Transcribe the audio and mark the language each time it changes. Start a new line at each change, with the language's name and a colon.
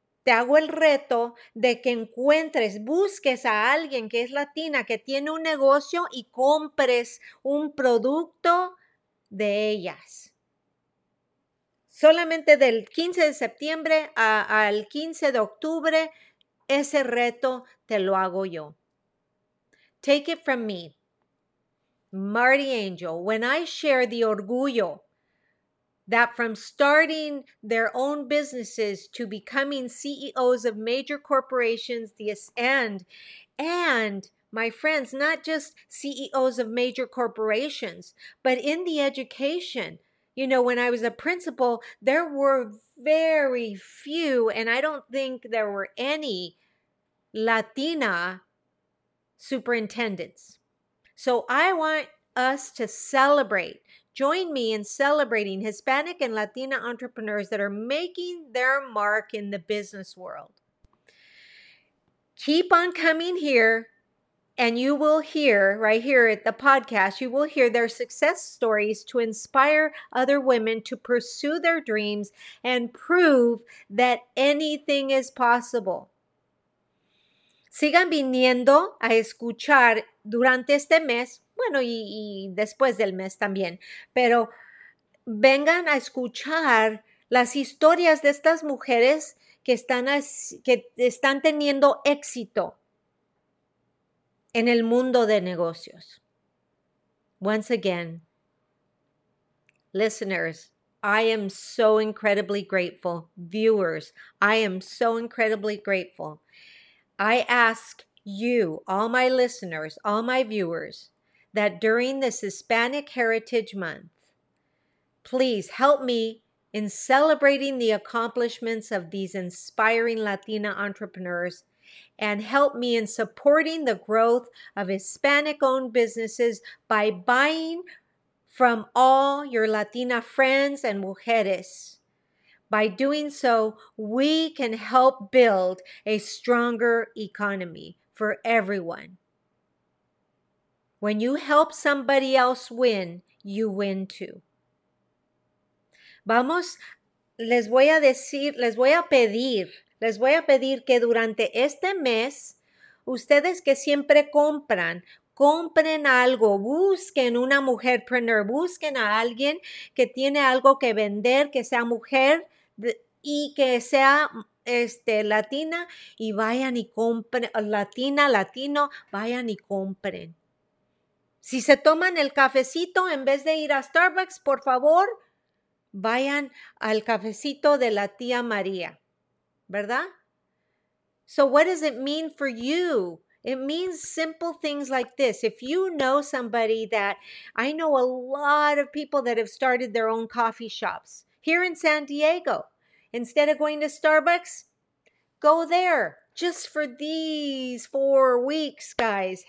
Spanish: Te hago el reto de que encuentres, busques a alguien que es latina, que tiene un negocio y compres un producto de ellas. Solamente del 15 de septiembre al 15 de octubre, ese reto te lo hago yo.
English: Take it from me, Marty Angel, when I share the orgullo that from starting their own businesses to becoming CEOs of major corporations, and my friends, not just CEOs of major corporations, but in the education. You know, when I was a principal, there were very few, and I don't think there were any Latina superintendents. So I want us to celebrate. Join me in celebrating Hispanic and Latina entrepreneurs that are making their mark in the business world. Keep on coming here. And you will hear, right here at the podcast, you will hear their success stories to inspire other women to pursue their dreams and prove that anything is possible.
Spanish: Sigan viniendo a escuchar durante este mes, bueno, y después del mes también, pero vengan a escuchar las historias de estas mujeres que están teniendo éxito en el mundo de negocios.
English: Once again, listeners, I am so incredibly grateful. Viewers, I am so incredibly grateful. I ask you, all my listeners, all my viewers, that during this Hispanic Heritage Month, please help me in celebrating the accomplishments of these inspiring Latina entrepreneurs. And help me in supporting the growth of Hispanic-owned businesses by buying from all your Latina friends and mujeres. By doing so, we can help build a stronger economy for everyone. When you help somebody else win, you win too.
Spanish: Vamos, les voy a pedir que durante este mes, ustedes que siempre compren algo, busquen una mujerpreneur, busquen a alguien que tiene algo que vender, que sea mujer y que sea latina, y vayan y compren, latina, latino, vayan y compren. Si se toman el cafecito en vez de ir a Starbucks, por favor, vayan al cafecito de la tía María. ¿Verdad?
English: So what does it mean for you? It means simple things like this. If you know somebody that, I know a lot of people that have started their own coffee shops here in San Diego. Instead of going to Starbucks, go there just for these 4 weeks, guys.